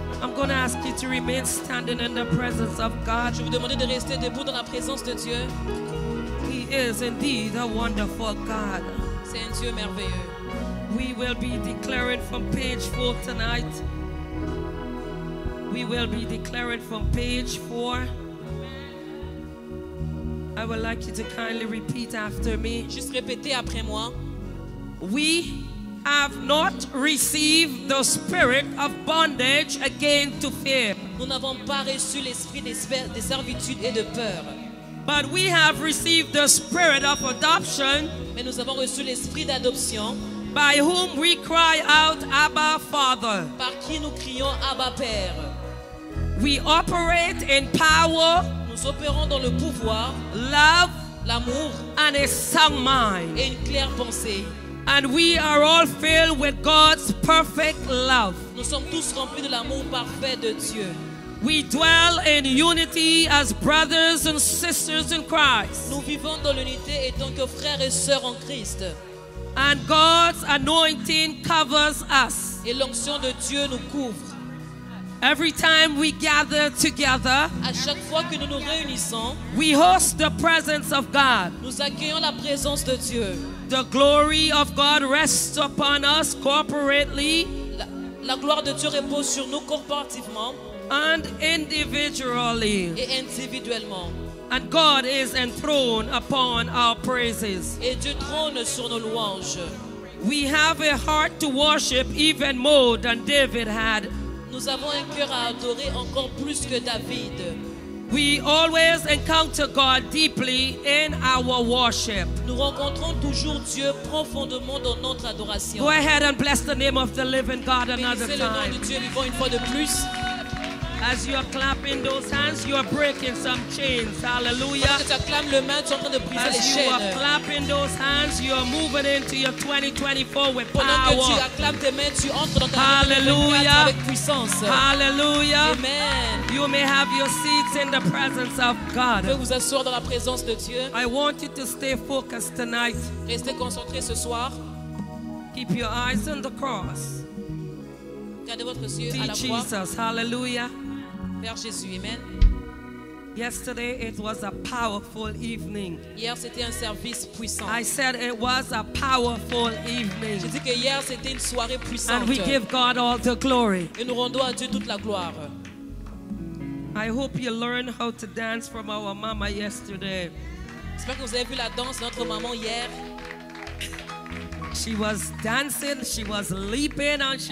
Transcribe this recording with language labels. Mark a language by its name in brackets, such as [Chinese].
[English] I'm going to ask you to remain standing in the presence of God. [French] Je vous demande de rester debout dans la présence de Dieu. [English] He is indeed a wonderful God. [French] C'est un Dieu merveilleux. [English] We will be declaring from page 4 tonight. We will be declaring from page 4. I would like you to kindly repeat after me. [French] Juste répéter après moi. [English] We have not received the spirit of bondage again to fear. [French] Nous n'avons pas reçu l'esprit de servitude et de peur. [English] But we have received the spirit of adoption. [French] Mais nous avons reçu l'esprit d'adoption. [English] By whom we cry out, Abba Father. [French] Par qui nous crions Abba Père. [English] We operate in power, [French] nous opérons dans le pouvoir, [English] love, [French] l'amour, [English] and a sound mind, [French] et une claire pensée. [English] And we are all filled with God's perfect love. [French] Nous sommes tous remplis de l'amour parfait de Dieu. [English] We dwell in unity as brothers and sisters in Christ. [French] Nous vivons dans l'unité et tant que frères et sœurs en Christ. [English] And God's anointing covers us. [French] Et l'onction de Dieu nous couvre. [English] Every time we gather together, [French] à chaque fois que nous nous réunissons, [English] we host the presence of God. [French] Nous accueillons la présence de Dieu. [English] The glory of God rests upon us corporately. [French] La gloire de Dieu repose sur nous corporativement. [English] And individually. [French] Et individuellement. [English] And God is enthroned upon our praises. [French] Et Dieu trône sur nos louanges. [English] We have a heart to worship even more than David had. [French] Nous avons un cœur à adorer encore plus que David. [English] We always encounter God deeply in our worship. [French] Nous rencontrons toujours Dieu profondément dans notre adoration. [English] Go ahead and bless the name of the living God another time. [French] Bénissez le nom de Dieu vivant une fois de plus. [English] As you are clapping those hands, you are breaking some chains. Hallelujah. [French] Tu acclames les mains, tu es en train de briser les chaînes. [English] As you are clapping those hands, you are moving into your 2024 with power. [French] Pendant que tu acclames tes mains, tu entres dans ta 2024 avec puissance. [English] Hallelujah. Amen. You may have your seats in the presence of God. [French] Vous pouvez vous asseoir dans la présence de Dieu. [English] I want you to stay focused tonight. [French] Restez concentré ce soir. [English] Keep your eyes on the cross. [French] regardez votre cieux à la voix. [English] Jesus, hallelujah. [French] Père Jésus, amen. [English] Yesterday it was a powerful evening. [French] Hier c'était un service puissant. [English] I said it was a powerful evening. [French] Je dis que hier c'était une soirée puissante. [English] And we give God all the glory. [French] Et nous rendons à Dieu toute la gloire. [English] I hope you learned how to dance from our mama yesterday. [French] J'espère que vous avez vu la danse de notre maman hier. [English] She was dancing, she was leaping, and she